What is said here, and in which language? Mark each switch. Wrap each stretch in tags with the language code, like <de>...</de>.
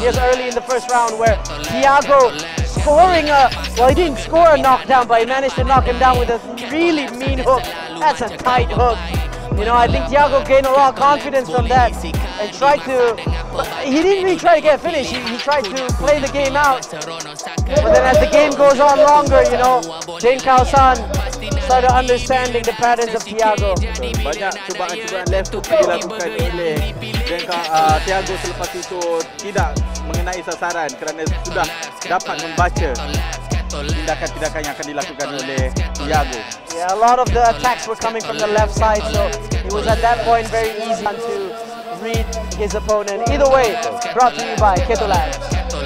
<en>Just early in the first round where Thiago he didn't score a knockdown, but he managed to knock him down with a really mean hook. That's a tight hook. You know, I think Thiago gained a lot of confidence from that and tried to, he didn't really try to get a finish, he tried to play the game out. But then as the game goes on longer, you know, Deng Kaosan started understanding the patterns of Thiago.</en> <ms>Banyak cubaan-cubaan left hook dilakukan oleh Thiago, selepas itu tidak mengenai sasaran kerana sudah dapat membaca tindakan-tindakan yang akan dilakukan oleh Thiago.</ms> <en>Yeah, a lot of the attacks were coming from the left side, so it was at that point very easy to read his opponent. Either way, brought to you by KetoLabs.</en>